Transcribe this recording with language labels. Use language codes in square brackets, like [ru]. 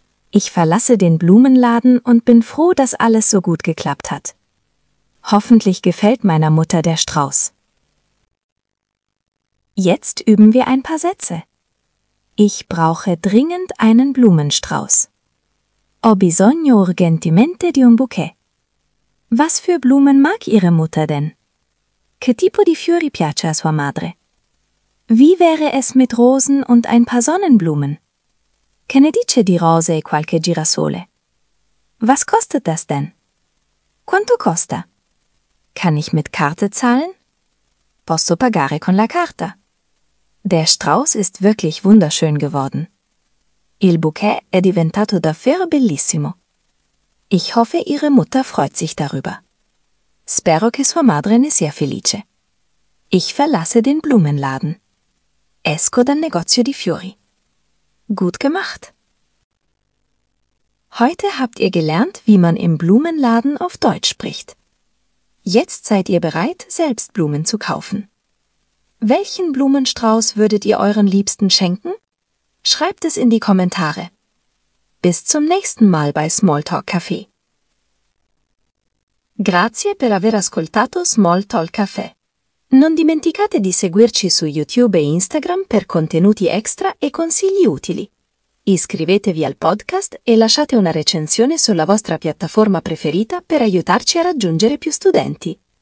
[de] Ich verlasse den Blumenladen und bin froh, dass alles so gut geklappt hat. Hoffentlich gefällt meiner Mutter der Strauß. Jetzt üben wir ein paar Sätze. Ich brauche dringend einen Blumenstrauß. [it] Ho bisogno urgentemente di un bouquet. [de] Was für Blumen mag Ihre Mutter denn? [it] Che tipo di fiori piace a sua madre? [de] Wie wäre es mit Rosen und ein paar Sonnenblumen? [it] Che ne dice di rose e qualche girasole? [de] Was kostet das denn? [it] Quanto costa? [de] Kann ich mit Karte zahlen? [it] Posso pagare con la carta? [de] Der Strauß ist wirklich wunderschön geworden. [it] Il bouquet è diventato davvero bellissimo. [de] Ich hoffe, Ihre Mutter freut sich darüber. [it] Spero che sua madre ne sia felice. [de] Ich verlasse den Blumenladen. [it] Esco dal negozio di fiori. [de] Gut gemacht. Heute habt ihr gelernt, wie man im Blumenladen auf Deutsch spricht. Jetzt seid ihr bereit, selbst Blumen zu kaufen. Welchen Blumenstrauß würdet ihr euren Liebsten schenken? Schreibt es in die Kommentare. Bis zum nächsten Mal bei Smalltalk Café. [it] Grazie per aver ascoltato Smalltalk Café. Non dimenticate di seguirci su YouTube e Instagram per contenuti extra e consigli utili. Iscrivetevi al podcast e lasciate una recensione sulla vostra piattaforma preferita per aiutarci a raggiungere più studenti.